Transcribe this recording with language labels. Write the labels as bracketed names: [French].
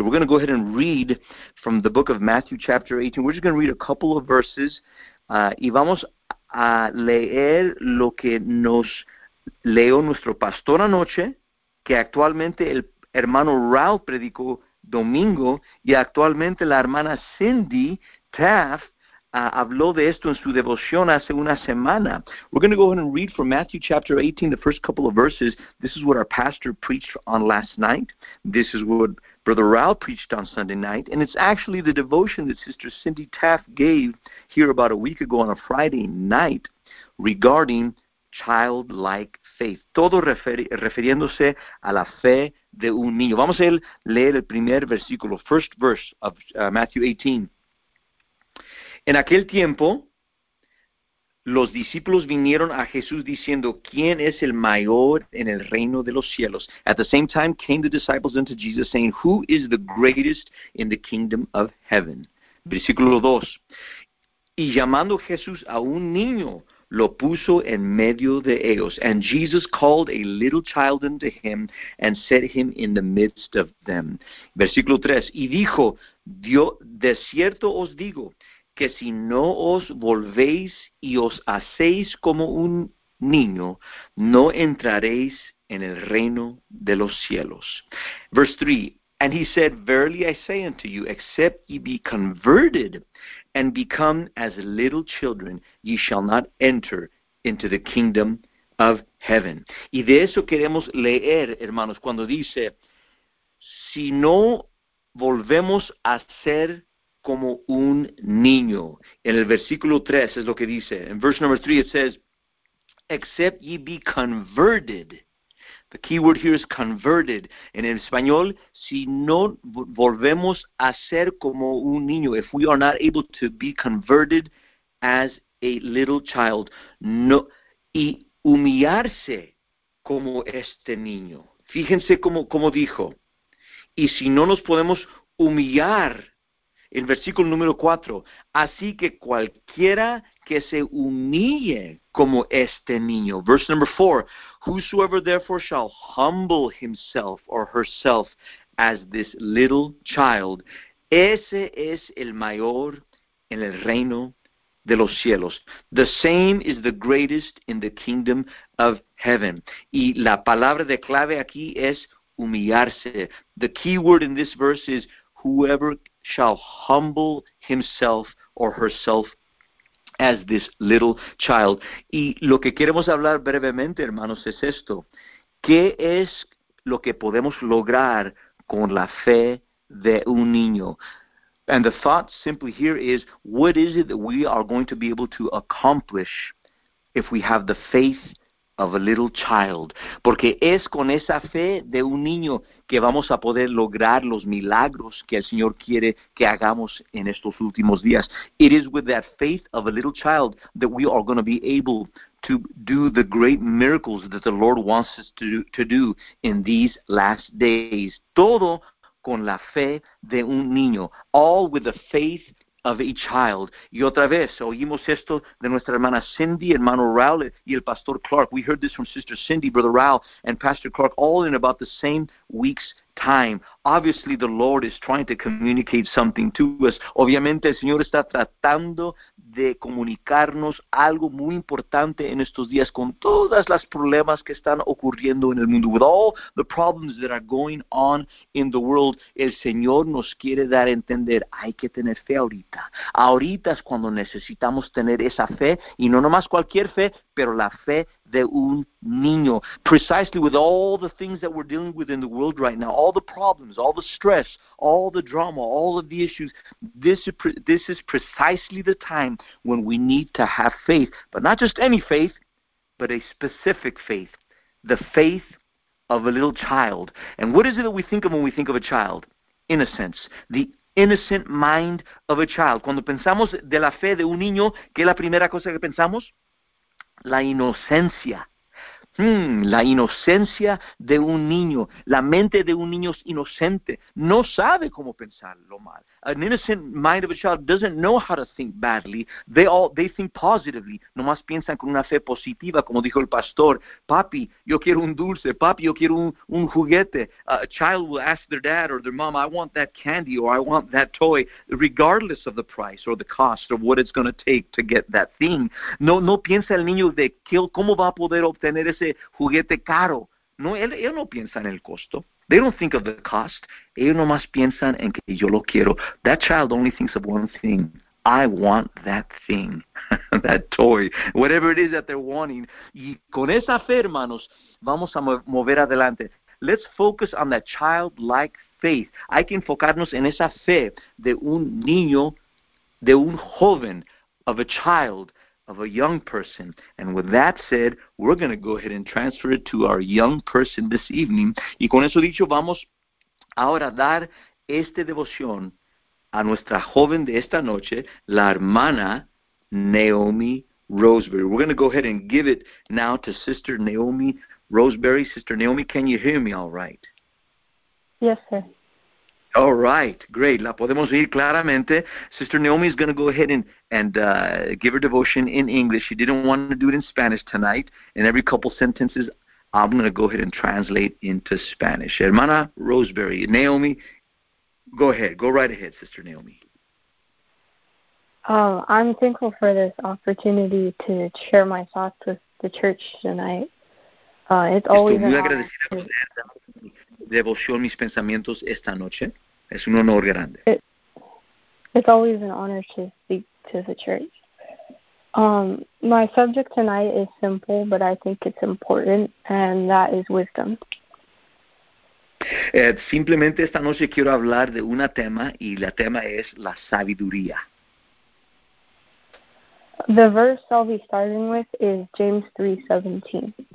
[English] We're going to go ahead and read from the book of Matthew, chapter 18. We're just going to read a couple of verses, [Spanish] y vamos a leer lo que nos leyó nuestro pastor anoche, que actualmente el hermano Ralph predicó domingo, y actualmente la hermana Cindy Taft habló de esto en su devoción hace una semana. [English] We're going to go ahead and read from Matthew chapter 18, the first couple of verses. This is what our pastor preached on last night. This is what Brother Ralph preached on Sunday night. And it's actually the devotion that Sister Cindy Taft gave here about a week ago on a Friday night regarding childlike faith, [Spanish] todo refiriéndose a la fe de un niño. Vamos a leer el primer versículo, [English] first verse of Matthew 18. [Spanish] En aquel tiempo, los discípulos vinieron a Jesús diciendo, ¿quién es el mayor en el reino de los cielos? [English] At the same time came the disciples unto Jesus saying, who is the greatest in the kingdom of heaven? [Spanish] Versículo 2. Y llamando Jesús a un niño, lo puso en medio de ellos. [English] And Jesus called a little child unto him and set him in the midst of them. [Spanish] Versículo 3. Y dijo, Dios, de cierto os digo, que si no os volvéis y os hacéis como un niño, no entraréis en el reino de los cielos. [English] Verse 3. And he said, verily I say unto you, except ye be converted and become as little children, ye shall not enter into the kingdom of heaven. [Spanish] Y de eso queremos leer, hermanos, cuando dice, si no volvemos a ser como un niño. En el versículo 3 es lo que dice. [English] En verse number 3 it says, except ye be converted. The key word here is converted. [Spanish] En el español, si no volvemos a ser como un niño, [English] if we are not able to be converted as a little child, [Spanish] no, y humillarse como este niño. Fíjense cómo dijo. Y si no nos podemos humillar, en versículo número 4, así que cualquiera que se humille como este niño. [English] Verse number 4, whosoever therefore shall humble himself or herself as this little child, [Spanish] ese es el mayor en el reino de los cielos. [English] The same is the greatest in the kingdom of heaven. [Spanish] Y la palabra de clave aquí es humillarse. [English] The key word in this verse is whoever shall humble himself or herself as this little child. [Spanish] Y lo que queremos hablar brevemente, hermanos, es esto. ¿Qué es lo que podemos lograr con la fe de un niño? [English] And the thought simply here is, what is it that we are going to be able to accomplish if we have the faith of a little child? [Spanish] Porque es con esa fe de un niño que vamos a poder lograr los milagros que el Señor quiere que hagamos en estos últimos días. [English] It is with that faith of a little child that we are going to be able to do the great miracles that the Lord wants us to do in these last days. [Spanish] Todo con la fe de un niño. [English] All with the faith of a child. [Spanish] Y otra vez, oímos esto de nuestra hermana Cindy, hermano Raúl y el pastor Clark. [English] We heard this from Sister Cindy, Brother Raúl, and Pastor Clark, all in about the same week's time. Obviously, the Lord is trying to communicate something to us. [Spanish] Obviamente, el Señor está tratando de comunicarnos algo muy importante en estos días con todas las problemas que están ocurriendo en el mundo. [English] With all the problems that are going on in the world, [Spanish] el Señor nos quiere dar a entender, hay que tener fe ahorita. Ahorita es cuando necesitamos tener esa fe, y no nomás cualquier fe, pero la fe de un niño. [English] Precisely with all the things that we're dealing with in the world right now, all the problems, all the stress, all the drama, all of the issues, this is precisely the time when we need to have faith, but not just any faith, but a specific faith, the faith of a little child. And what is it that we think of when we think of a child? Innocence, the innocent mind of a child. [Spanish] Cuando pensamos de la fe de un niño, ¿qué es la primera cosa que pensamos? La inocencia. La inocencia de un niño, la mente de un niño es inocente, no sabe cómo pensar lo mal. [English] An innocent mind of a child doesn't know how to think badly. They think positively. [Spanish] Nomás piensan con una fe positiva, como dijo el pastor. Papi, yo quiero un dulce. Papi, yo quiero un juguete. [English] A child will ask their dad or their mom, I want that candy or I want that toy, regardless of the price or the cost or what it's going to take to get that thing. [Spanish] No piensa el niño de que, cómo va a poder obtener ese juguete caro. No, él no piensa en el costo. [English] They don't think of the cost. [Spanish] Ellos nomás piensan en que yo lo quiero. [English] That child only thinks of one thing. I want that thing, that toy, whatever it is that they're wanting. [Spanish] Y con esa fe, hermanos, vamos a mover adelante. [English] Let's focus on that childlike faith. [Spanish] Hay que enfocarnos en esa fe de un niño, de un joven, [English] of a child, of a young person. And with that said, we're going to go ahead and transfer it to our young person this evening. [Spanish] Y con eso dicho, vamos ahora a dar este devoción a nuestra joven de esta noche, la hermana Naomi Roseberry. [English] We're going to go ahead and give it now to Sister Naomi Roseberry. Sister Naomi, can you hear me all right? Yes, sir. All right, great. [Spanish] La podemos oír claramente. [English] Sister Naomi is going to go ahead and give her devotion in English. She didn't want to do it in Spanish tonight. And every couple sentences, I'm going to go ahead and translate into Spanish. Hermana Roseberry, Naomi, go ahead. Go right ahead, Sister Naomi. I'm thankful for this opportunity to share my thoughts with the church tonight. It's always [Spanish] Estoy muy agradecida por tener la devoción mis pensamientos esta noche. Es un honor grande. [English] It's always an honor to speak to the church. My subject tonight is simple, but I think it's important, and that is wisdom. [Spanish] Simplemente esta noche quiero hablar de un tema, y el tema es la sabiduría. [English] The verse I'll be starting with is James 3:17.